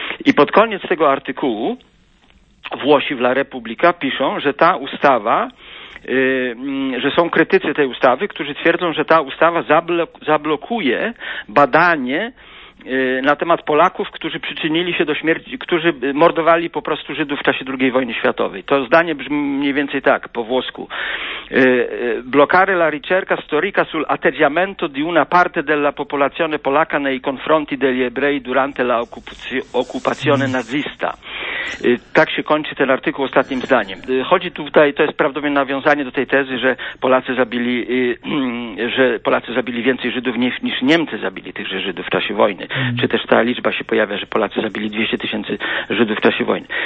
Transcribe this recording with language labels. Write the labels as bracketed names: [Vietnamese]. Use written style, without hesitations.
[Polish] I pod koniec tego artykułu Włosi w La Repubblica piszą, że ta ustawa, że są krytycy tej ustawy, którzy twierdzą, że ta ustawa zablokuje badanie na temat Polaków, którzy przyczynili się do śmierci, którzy mordowali po prostu Żydów w czasie II wojny światowej. To zdanie brzmi mniej więcej tak, po włosku. [Italian] Blokare la ricerca storica sul atteggiamento di una parte della popolazione polaca nei confronti degli ebrei durante la occupazione nazista. [Polish] Tak się kończy ten artykuł ostatnim zdaniem. Chodzi tutaj, to jest prawdopodobnie nawiązanie do tej tezy, że Polacy zabili więcej Żydów niż Niemcy zabili tychże Żydów w czasie wojny. Czy też ta liczba się pojawia, że Polacy zabili 200 tysięcy Żydów w czasie wojny.